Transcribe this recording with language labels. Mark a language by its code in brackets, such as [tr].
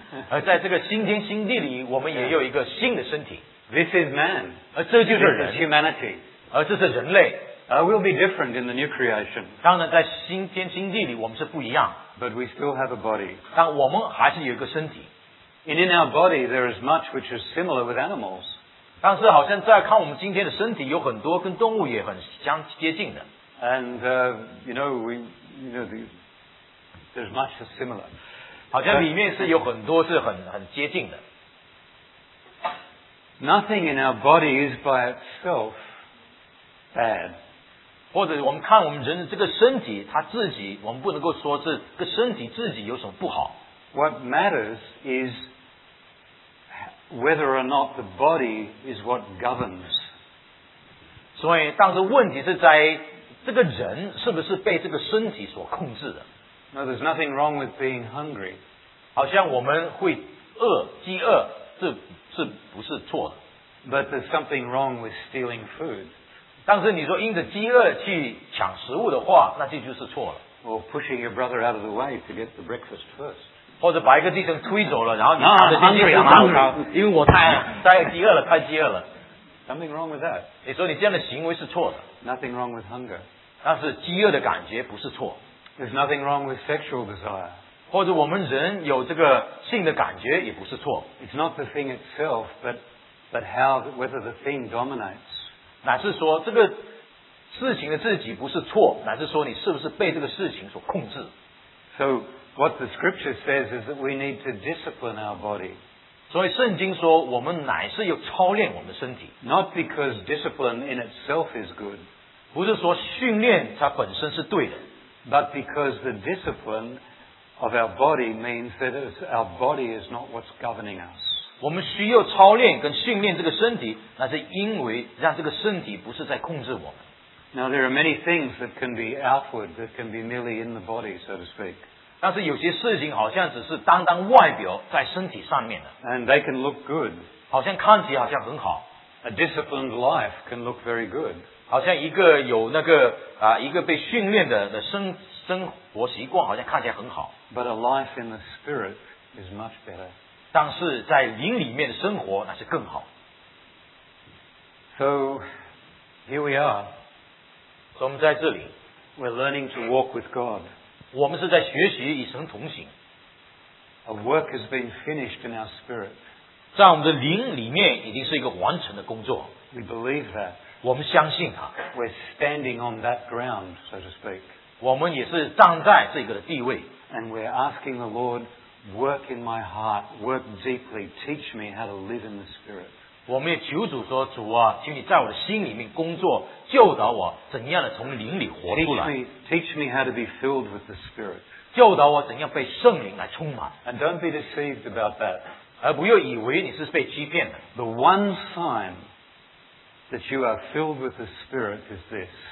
[zh] 而在这个新天新地里我们也有一个新的身体。 [en] This is man. [zh] 而这就是人。 [en] This is humanity. [zh] 而这是人类。 [en] We'll be different in the new creation. [zh] 当然在新天新地里我们是不一样。 [en] But we still have a body. [zh] 但我们还是有一个身体。 [en] And in our body, there is much which is similar with animals. [zh] 但是好像在看我们今天的身体有很多跟动物也很相接近的。 [en] And, there's much that's similar. [zh] 好像里面是有很多是很接近的。 [en] Nothing in our body is by itself bad. [zh] 或者我们看我们人的这个身体它自己我们不能够说这个身体自己有什么不好。 [en] What matters is whether or not the body is what governs. [zh] 所以但是问题是在这个人是不是被这个身体所控制的。 [en] No, there's nothing wrong with being hungry. [zh] 好像我们会饿饥饿是不是错的。 [en] But there's something wrong with stealing food. [zh] 但是你说因着饥饿去抢食物的话那这就是错了。 [en] Or pushing your brother out of the way to get the breakfast first. [zh] 或者把一个弟兄推走了，然后你拿着进去养他，因为我太饥饿了，太饥饿了。 [en] Something wrong with that？ [zh] 你说你这样的行为是错的。 [en] Nothing wrong with hunger？ [zh] 但是饥饿的感觉不是错。 [en] There's nothing wrong with sexual desire？ [zh] 或者我们人有这个性的感觉也不是错。 [en] It's not the thing itself， but how whether the thing dominates？ [zh] 乃是说这个事情的自己不是错，乃是说你是不是被这个事情所控制。 [en] So。 What the scripture says is that we need to discipline our body. [zh] 所以圣经说我们乃是要操练我们的身体。 [en] Not because discipline in itself is good. [zh] 不是说训练它本身是对的。 [en] But because the discipline of our body means that our body is not what's governing us. [zh] 我们需要操练跟训练这个身体那是因为让这个身体不是在控制我们。 [en] Now there are many things that can be outward that can be merely in the body, so to speak. [zh] 但是有些事情好像只是单单外表在身体上面的。 [en] And they can look good. [zh] 好像看起来好像很好。 [en] A disciplined life can look very good. [zh] 好像一个有那个啊一个被训练的生活习惯好像看起来很好。 [en] But a life in the spirit is much better. [zh] 但是在灵里面的生活那是更好。 [en] So, here we are. [zh] 所以我们在这里。 [en] We're learning to walk with God. [zh] 我们是在学习与神同行。 [en] A work has been finished in our spirit. [zh] 在我们的灵里面已经是一个完成的工作。 [en] We believe that. [zh] 我们相信它。 [en] We're standing on that ground, so to speak. [zh] 我们也是站在这个的地位。 [en] And we're asking the Lord, work in my heart, work deeply, teach me how to live in the spirit. [zh] 我们也求主说，主啊，请你在我的心里面工作。教导我怎样的从灵里活出来。 [en] Teach me how to be filled with the Spirit. [zh] 教导我怎样被圣灵来充满。 [en] And don't be deceived about that. [zh] 而不要以为你是被欺骗的。 [en] The one sign that you are filled with the Spirit is this.